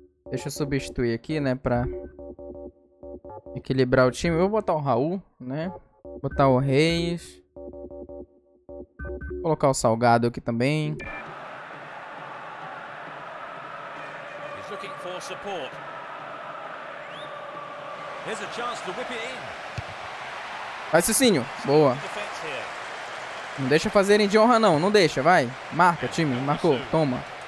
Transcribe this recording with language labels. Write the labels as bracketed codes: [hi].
[pt] Deixa eu substituir aqui, né, pra equilibrar o time. Eu vou botar o Raul, né? Botar o Reis. Vou colocar o Salgado aqui também. [en] He's looking for support. Here's a chance to whip it in. [pt] Vai, Cicinho. Boa. Não deixa fazerem de honra, não. Não deixa, vai. Marca, time. Marcou. Toma.